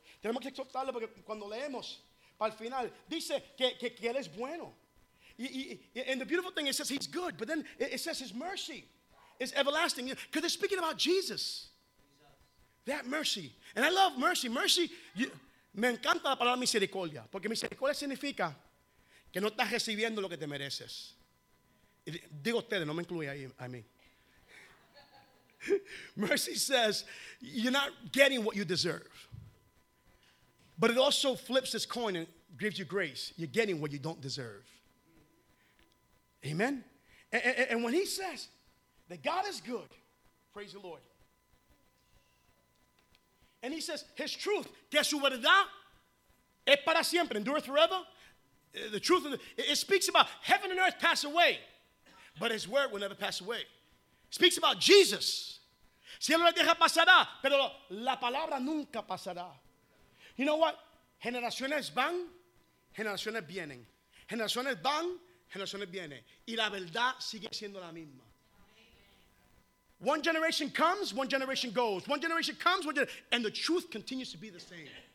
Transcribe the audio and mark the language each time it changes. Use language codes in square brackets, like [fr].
[es] Tenemos que exaltarlo porque cuando leemos, para el final, dice que él es bueno. [en] And the beautiful thing, it says he's good, but then it says his mercy is everlasting. Because they're speaking about Jesus. That mercy. And I love mercy. Mercy, [es] me encanta la palabra misericordia. Porque misericordia significa que no estás recibiendo lo que te mereces. Digo ustedes, no me incluye ahí, [en] I mean. Mercy says you're not getting what you deserve. But it also flips this coin and gives you grace. You're getting what you don't deserve. Amen? And when he says that God is good, praise the Lord. And he says his truth, [es] que su verdad es para siempre, [en] endure forever. The truth, it speaks about heaven and earth pass away, but his word will never pass away. It speaks about Jesus. [es] Cielo y tierra pasará, pero la palabra nunca pasará. [en] You know what? [es] Generaciones van, generaciones vienen. Generaciones van, generaciones viene, y la verdad sigue siendo la misma. [en] One generation comes, one generation goes. One generation comes, one generation, and the truth continues to be the same.